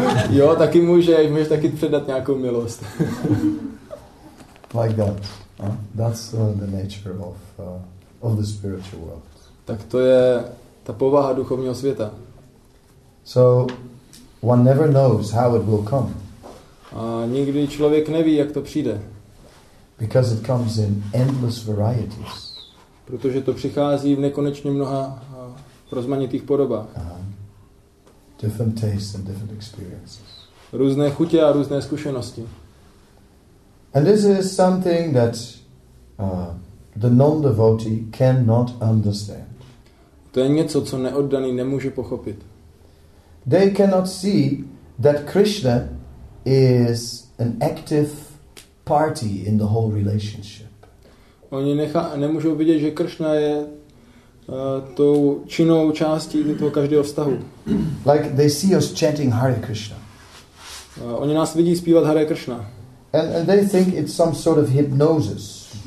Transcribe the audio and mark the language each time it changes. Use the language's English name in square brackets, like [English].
[Czech] Jo, taky můžeš taky předat nějakou milost. [English] Like that. That's the nature of the spiritual world. [Czech] Tak to je ta povaha duchovního světa. [English] So one never knows how it will come. [Czech] A nikdy člověk neví, jak to přijde. [English] Because it comes in endless varieties. [Czech] Protože to přichází v nekonečně mnoha rozmanitých podobách. [English] Different tastes and different experiences. [Czech] Různé chutě a různé zkušenosti. [English] And this is something that the non-devotee cannot understand. [Czech] To je něco, co neoddaný nemůže pochopit. [English] They cannot see that Krishna is an active party in the whole relationship. [Czech] Oni nemůžou vidět, že Krishna je tou činnou částí toho každého vztahu. [English] Like they see us chanting Hare Krishna. [Czech] Oni nás vidí zpívat Hare Krishna. [English] And they think it's some sort of hypnosis.